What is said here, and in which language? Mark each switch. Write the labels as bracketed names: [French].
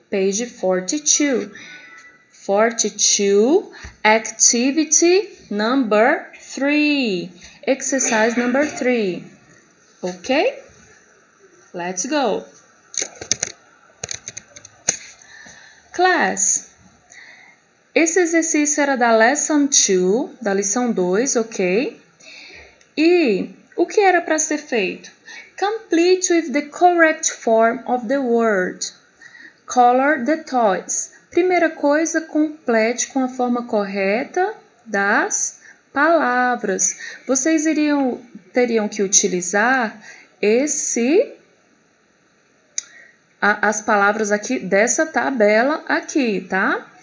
[English] Page 42. 42, activity number 3, exercise number 3, ok? Let's go! [Portuguese] Class, esse exercício era da lesson 2, da lição 2, ok? E o que era para ser feito? [English] Complete with the correct form of the word. Color the toys. [Portuguese] Primeira coisa, complete com a forma correta das palavras. Vocês teriam que utilizar as palavras aqui dessa tabela aqui, tá?